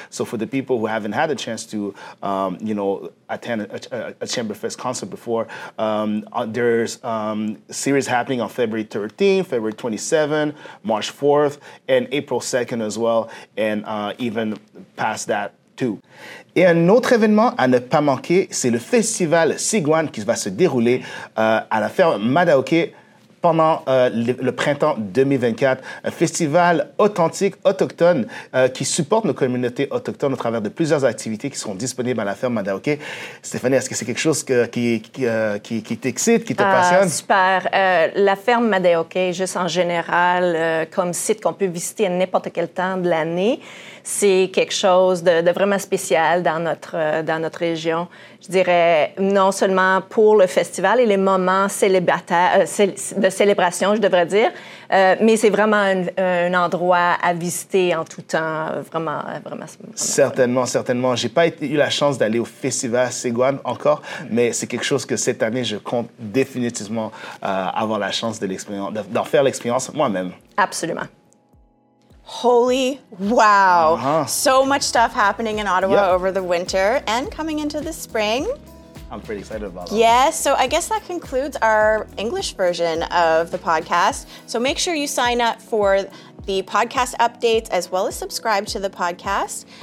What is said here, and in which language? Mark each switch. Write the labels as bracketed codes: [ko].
[en] So for the people who haven't had a chance to, you know, attend a Chamberfest concert before, there's series happening on February 13th, February 27th, March 4th, and April 2nd as well, and even past that too. [fr] Et un autre événement à ne pas manquer, c'est le festival Sigwan qui va se dérouler à la ferme Madaoke pendant le printemps 2024, un festival authentique, autochtone, qui supporte nos communautés autochtones au travers de plusieurs activités qui seront disponibles à la ferme Madaoke. Stéphanie, est-ce que c'est quelque chose qui t'excite, qui te passionne? Super. La ferme Madaoke, juste en général, comme site qu'on peut visiter à n'importe quel temps de l'année, c'est quelque chose de vraiment spécial dans notre région. Je dirais, non seulement pour le festival et les moments de célébration, je devrais dire, mais c'est vraiment un endroit à visiter en tout temps, vraiment, vraiment. Certainement, certainement. J'ai pas eu la chance d'aller au festival Sigwan encore, mais c'est quelque chose que cette année, je compte définitivement avoir la chance d'en faire l'expérience moi-même. Absolument. [en] Holy wow. Uh-huh. So much stuff happening in Ottawa over the winter and coming into the spring. I'm pretty excited about that. Yes, so I guess that concludes our English version of the podcast. So make sure you sign up for the podcast updates as well as subscribe to the podcast.